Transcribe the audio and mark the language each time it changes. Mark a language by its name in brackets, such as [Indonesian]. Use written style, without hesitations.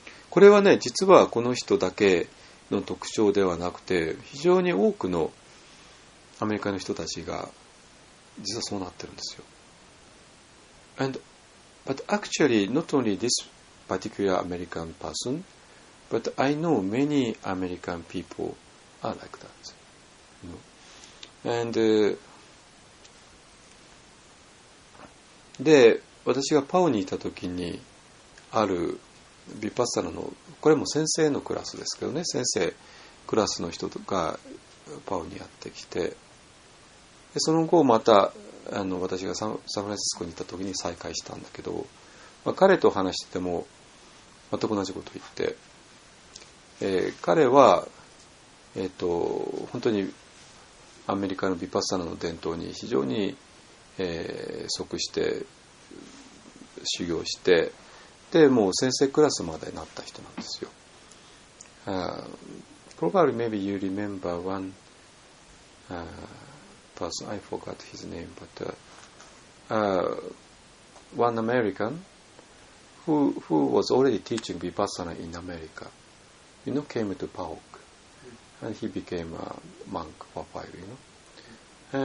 [Japanese] これはね、実はこの人だけの特徴ではなくて、非常に多くのアメリカの人たちが、実はそうなってるんですよ。 [English] And, but actually, not only this,particular American person, but I know many American people are like that. You know? [Japanese] And, で、私がパオにいたときに、あるヴィパッサナの、これも先生のクラスですけどね、先生クラスの人がパオにやってきて、でその後また私がサンフランシスコにいたときに再会したんだけど、まあ、彼と話してても、全く同じことを言って、彼は、本当にアメリカのヴィパッサナの伝統に非常に、即して修行して、でもう先生クラスまでなった人なんですよ。 [English] Probably maybe you remember one person, I forgot his name, but one American. Who was already teaching Vipassana in America, you know, came to Pauk, and he became a monk for a while, you know.